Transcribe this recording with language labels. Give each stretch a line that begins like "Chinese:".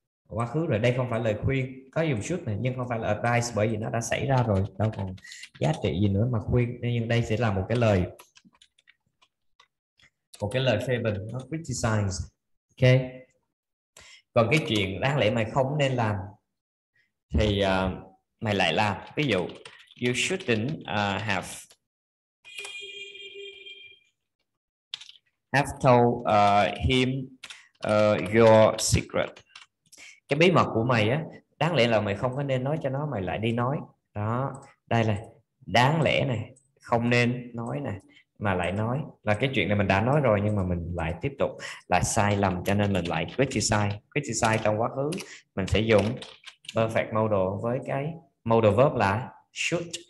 Vietnamese: Quá khứ rồi, đây không phải lời khuyên, có dùng should này nhưng không phải là advice bởi vì nó đã xảy ra rồi, đâu còn giá trị gì nữa mà khuyên. Nhưng đây sẽ là một cái lời phê bình, nó criticize. Ok. Còn cái chuyện đáng lẽ mày không nên làm thì mày lại làm. Ví dụ
English: you shouldn't have told him your secret.
Vietnamese: Cái bí mật của mày á, đáng lẽ là mày không có nên nói cho nó, mày lại đi nói. Đó, đây là đáng lẽ này, không nên nói này, mà lại nói. Là cái chuyện này mình đã nói rồi nhưng mà mình lại tiếp tục là sai lầm, cho nên mình lại criticize. Criticize trong quá khứ, mình sẽ dùng perfect modal với cái modal verb là should.